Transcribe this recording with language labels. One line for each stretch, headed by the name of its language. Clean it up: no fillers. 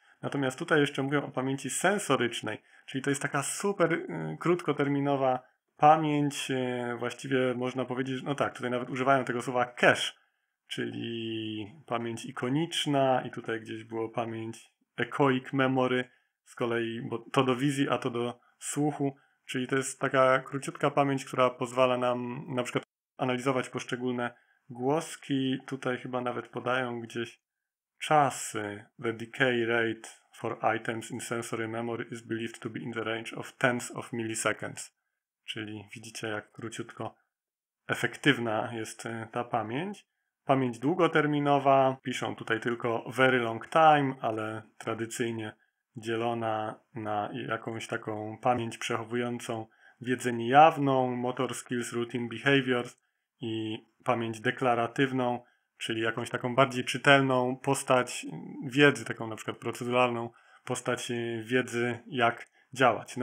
Polish: Natomiast tutaj jeszcze mówią o pamięci sensorycznej, czyli to jest taka super krótkoterminowa pamięć, właściwie można powiedzieć, no tak, tutaj nawet używają tego słowa cache, czyli pamięć ikoniczna i tutaj gdzieś było pamięć echoic memory, z kolei, bo to do wizji, a to do słuchu, Czyli to jest taka króciutka pamięć, która pozwala nam na przykład analizować poszczególne głoski. Tutaj chyba nawet podają gdzieś czasy.
English: The decay rate for items in sensory memory is believed to be in the range of tens of milliseconds.
Polish: Czyli widzicie, jak króciutko efektywna jest ta pamięć. Pamięć długoterminowa, piszą tutaj tylko
English: very long time,
Polish: ale tradycyjnie dzielona na jakąś taką pamięć przechowującą wiedzę niejawną,
English: motor skills, routine behaviors
Polish: i pamięć deklaratywną, czyli jakąś taką bardziej czytelną postać wiedzy, taką na przykład proceduralną postać wiedzy, jak działać.